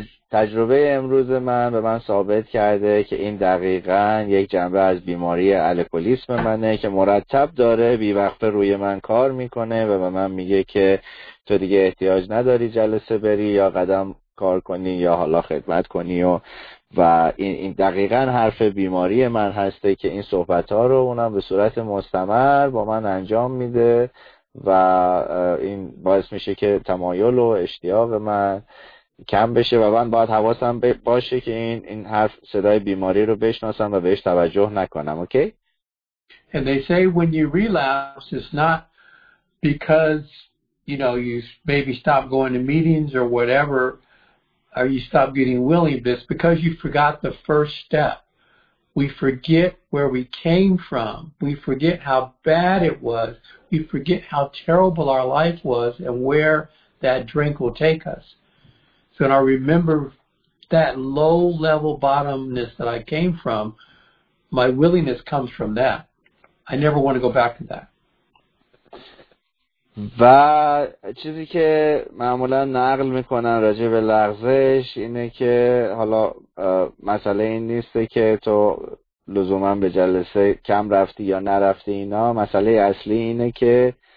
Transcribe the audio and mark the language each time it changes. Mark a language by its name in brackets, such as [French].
[Persian] تجربه امروز من به من ثابت کرده که این دقیقاً یک جنبه از بیماری الکلیسم منه که مرتب داره بیوقفه روی من کار میکنه و به من میگه که تو دیگه احتیاج نداری جلسه بری یا قدم کار کنی یا حالا خدمت کنی و این دقیقاً حرف بیماری من هسته که این صحبت ها رو اونم به صورت مستمر با من انجام میده و این باعث میشه که تمایل و اشتیاق من کم بشه و من باید حواسم باشه که این حرف صدای بیماری رو بشناسم و بهش توجه نکنم. [English] Okay? And they say when you relapse it's not because you know you maybe stop going to meetings or whatever or you stop getting willing, but it's because you forgot the first step. We forget where we came from. We forget how bad it was. We forget how terrible our life was and where that drink will take us. So when I remember that low level bottomness that I came from, my willingness comes from that. I never want to go back to that. [Persian] و چیزی که معمولا نقل میکنن راجع به لغزش اینه که حالا مسئله این نیست که تو لزوما به جلسه کم رفتی یا نرفتی، اینا مسئله اصلی اینه که